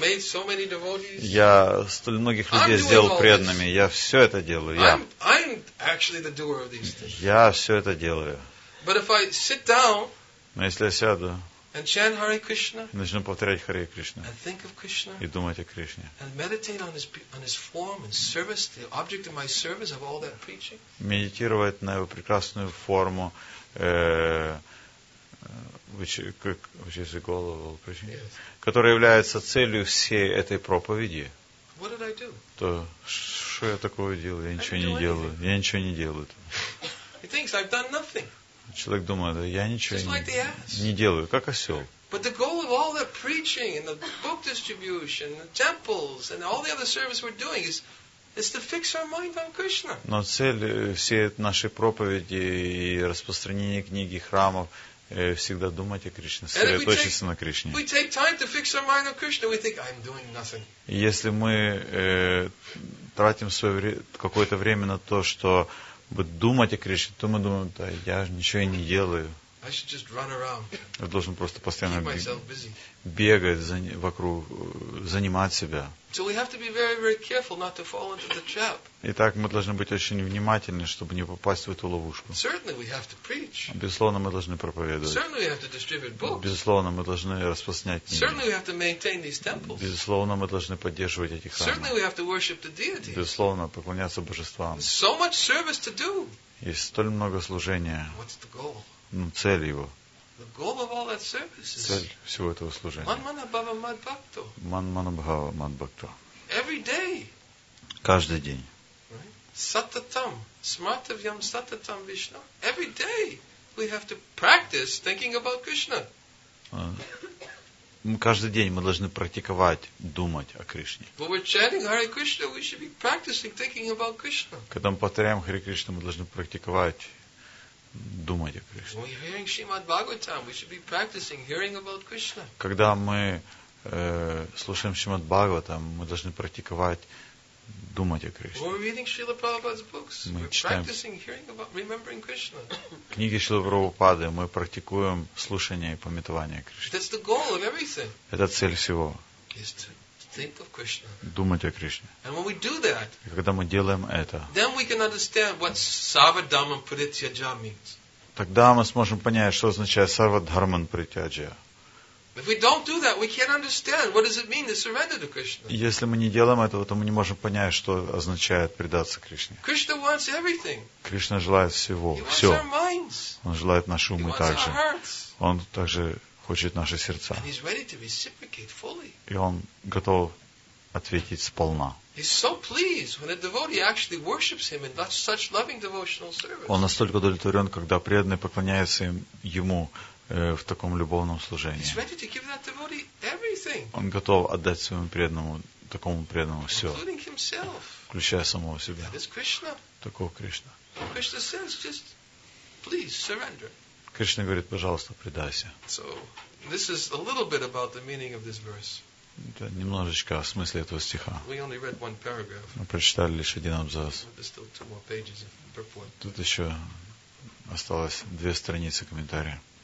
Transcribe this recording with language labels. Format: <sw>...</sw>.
<en>Made so many devotees.</en> <ru>Я столь многих людей сделал преданными. Я все это делаю.</ru> <en>I'm actually the doer of these things.</en> <ru>Я все это делаю.</ru> <en>But if I sit down,</en> <ru>но если я сяду</ru> <en>and chant Hare Krishna,</en> <ru>и начну повторять Харе Кришна</ru> <en>and think of Krishna,</en> <ru>и думать о Кришне,</ru> <en>and meditate on his form and service, the object of my service of all that preaching,</en> <ru>медитировать на его прекрасную форму, которая является целью всей этой проповеди,</ru> <en>what did I do?</en> <ru>То что я такого делаю? Я ничего не делаю.</ru> <en>He thinks I've done nothing.</en> <ru>Человек думает, я ничего не делаю, как осел.</ru> <en>But the goal of all the preaching and the book distribution and the temples and all the other service we're doing is to fix our mind on Krishna.</en> <ru>Но цель всей нашей проповеди и распространения книги, храмов, всегда думать о Кришне, сосредоточиться на Кришне.</ru> <en>We take time to fix our mind on Krishna, we think, I'm doing nothing.</en> <ru>Если мы тратим свое какое-то время на то, что думать о Кришне, то мы думаем, да, я ничего и не делаю.</ru> <en>I should just run around.</en> <ru>Я должен просто постоянно бегать, вокруг, занимать себя.</ru> <en>So we have to be very, very careful not to fall into the trap.</en> <ru>Итак, мы должны быть очень внимательны, чтобы не попасть в эту ловушку.</ru> <en>Certainly we have to preach.</en> <ru>Безусловно, мы должны проповедовать.</ru> <en>Certainly we have to distribute books.</en> <ru>Безусловно, мы должны распространять книги.</ru> <en>Certainly we have to maintain these temples.</en> <ru>Безусловно, мы должны поддерживать эти храмы.</ru> <en>Certainly we have to worship the deity.</en> <ru>Безусловно, поклоняться божествам.</ru> <en>So much service to do.</en> <ru>Есть столь много служения.</ru> <en>What's the goal?</en> <ru>Ну, цель его.</ru> <en>The goal of all that service is</en> <ru>цель всего этого служения.</ru> <sa>Манманабхава мадбхакто.</sa> <en>Every day.</en> <ru>Каждый день.</ru> <sa>Сататам. Смартавьям сататам вишна.</sa> <en>Every day we have to practice thinking about Krishna.</en> <ru>Каждый день мы должны практиковать, думать о Кришне.</ru> <en>When we're chanting Hare Krishna, we should be practicing thinking about Krishna.</en> <ru>Когда мы повторяем Харе Кришна, мы должны практиковать, думать о Кришне.</ru> <en>When we're hearing Shrimad Bhagavatam, we should be practicing hearing about Krishna.</en> <ru>Когда мы слушаем Шримад Бхагаватам, мы должны практиковать, думать о Кришне.</ru> <en>When we're reading Srila Prabhupada's books,</en> <ru>мы читаем</ru> <en>practicing hearing about, remembering Krishna.</en> <ru>Книги Шрилы Прабхупады, мы практикуем слушание и памятование о Кришне.</ru> <en>That's the goal of everything.</en> <ru>Это цель всего.</ru> <en>Is to think of Krishna.</en> <ru>Думать о Кришне.</ru> <en>And when we do that,</en> <ru>и когда мы делаем это,</ru> <en>then we can understand what Sarvadharman Parityaja means.</en> <ru>Тогда мы сможем понять, что означает Sarvadharman Parityaja.</ru> <en>If we don't do that, we can't understand what does it mean to surrender to Krishna.</en> <ru>Если мы не делаем этого, то мы не можем понять, что означает предаться Кришне.</ru> <en>Krishna wants everything.</en> <ru>Кришна желает всего.</ru> <en>He wants our minds.</en> <ru>Он желает наши умы также.</ru> <en>He wants our hearts.</en> <ru>Он также хочет наши сердца.</ru> <en>And he's ready to reciprocate fully.</en> <ru>И он готов ответить сполна.</ru> <en>He's so pleased when a devotee actually worships him in such loving devotional service.</en> <ru>Он настолько удовлетворен, когда преданный поклоняется ему в таком любовном служении.</ru> <en>He's ready to give that devotee everything.</en> <ru>Он готов отдать своему преданному, такому преданному все.</ru> <en>Including himself.</en> <ru>Включая самого себя.</ru> <en>That is Krishna.</en> <ru>Такого Кришна.</ru> <en>Krishna says, just please surrender.</en> <ru>Кришна говорит, пожалуйста, предайся.</ru> <en>So, this is a little bit about the meaning of this verse.</en> <ru>Это немножечко о смысле этого стиха.</ru> <en>We only read one paragraph.</en> <ru>Мы прочитали лишь один абзац.</ru> <en>There's still two more pages of purport.</en> <ru>Тут еще осталось две страницы комментария.</ru>